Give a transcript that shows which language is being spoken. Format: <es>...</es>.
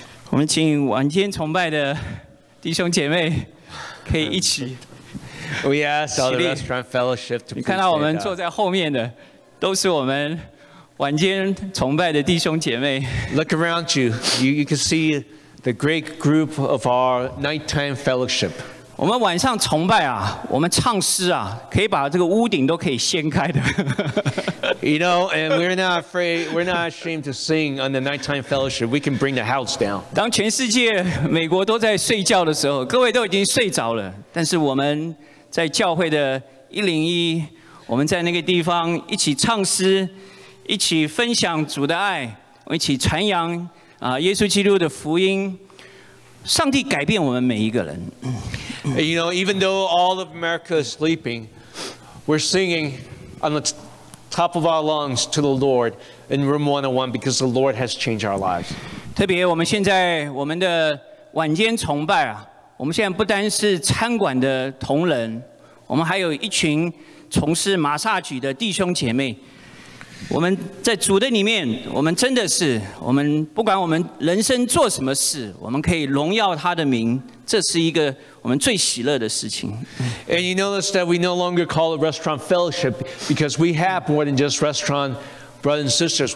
<zh>我们请晚间崇拜的弟兄姐妹可以一起。</zh> <en>We ask all the restaurant fellowship to.</en> <zh>你看到我们坐在后面的，都是我们晚间崇拜的弟兄姐妹。</zh> <en>Look around you. You can see the great group of our nighttime fellowship.</en> <zh>我们晚上崇拜啊，我们唱诗啊，可以把这个屋顶都可以掀开的。</zh> <en>You know, and we're not ashamed to sing on the nighttime fellowship. We can bring the house down.</en> <zh>当全世界美国都在睡觉的时候，各位都已经睡着了，但是我们在教会的101，我们在那个地方一起唱诗，一起分享主的爱，我们一起传扬啊耶稣基督的福音。上帝改变我们每一个人。</zh> <en>You know, even though all of America is sleeping, we're singing on the top of our lungs to the Lord in room 101 because the Lord has changed our lives.</en> <zh>特别我们现在我们的晚间崇拜啊，我们现在不单是餐馆的同仁，我们还有一群从事马萨举的弟兄姐妹。我们在主的里面，我们真的是，我们不管我们人生做什么事，我们可以荣耀他的名，这是一个我们最喜乐的事情。</zh> <en>And you notice that we no longer call it restaurant fellowship because we have more than just restaurant brothers and sisters.</en>